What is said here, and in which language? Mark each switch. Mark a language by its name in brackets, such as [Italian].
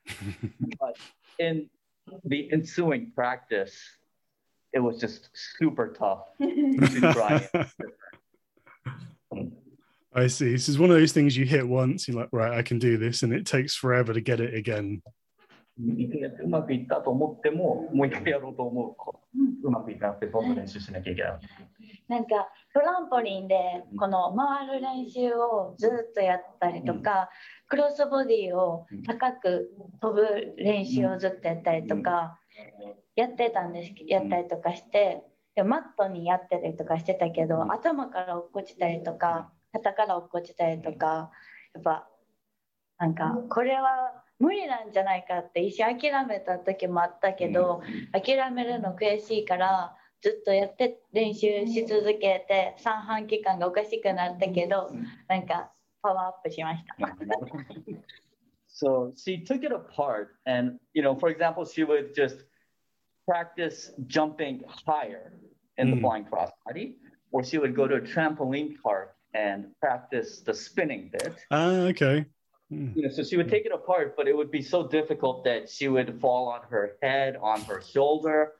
[English] But in the ensuing practice, it was just super tough to try. I see. This is one of those things you hit once, you're like, right, I can do this, and it takes forever to get it again. [Japanese] うまくいったと思ってももう一回やろうと思うとうまくいかなくてどんどん練習しなきゃいけない。なんかトランポリンでこの回る練習をずっとやったりとか、うん、クロスボディを高く飛ぶ練習をずっとやったりとかやってたんですやったりとかしてでマットにやってたりとかしてたけど頭から落っこちたりとか肩から落っこちたりとかやっぱなんかこれは無理なんじゃないかって一瞬諦めた時もあったけど諦めるの悔しいからずっとやって練習し続けて三半規管がおかしくなったけどなんかパワーアップしました [English] So she took it apart and you know for example she would just practice jumping higher in the flying crossbody or she would go to a trampoline park and practice the spinning bit okay You know, so she would take it apart, but it would be so difficult that she would fall on her head, on her shoulder.